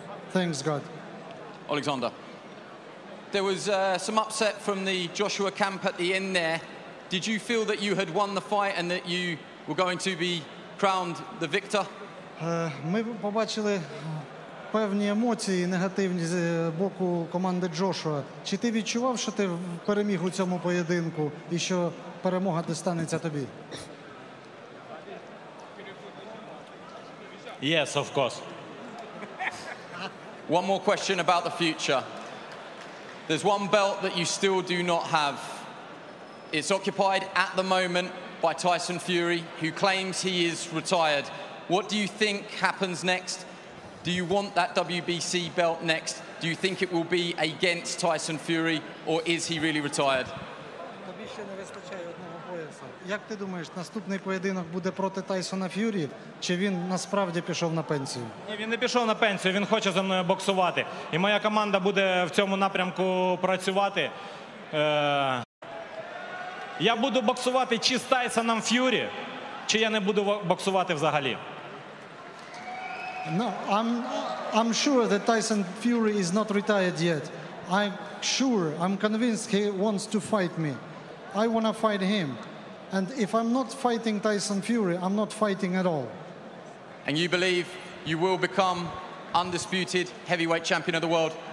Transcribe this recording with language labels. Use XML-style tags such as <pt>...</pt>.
<en>Thanks God. Oleksandr, there was some upset from the Joshua camp at the end there. Did you feel that you had won the fight and that you were going to be crowned the victor?</en> <uk>Ми побачили певні емоції негативні з боку команди Джошуа. Чи ти відчував, що ти переміг у цьому поєдинку і що перемога дістанеться тобі?</uk> <en>Yes, of course. One more question about the future. There's one belt that you still do not have. It's occupied at the moment by Tyson Fury, who claims he is retired. What do you think happens next? Do you want that WBC belt next? Do you think it will be against Tyson Fury, or is he really retired?</en> <uk>Тобі ще не вистачає одного пояса. Як ти думаєш, наступний поєдинок буде проти Тайсона Ф'юрі, чи він насправді пішов на пенсію? Ні, він не пішов на пенсію, він хоче зі мною боксувати. І моя команда буде в цьому напрямку працювати. Я буду боксувати чи з Тайсоном Ф'юрі, чи я не буду боксувати взагалі?</uk> <en>No, I'm sure that Tyson Fury is not retired yet. I'm convinced he wants to fight me. I want to fight him. And if I'm not fighting Tyson Fury, I'm not fighting at all. And you believe you will become undisputed heavyweight champion of the world?</en>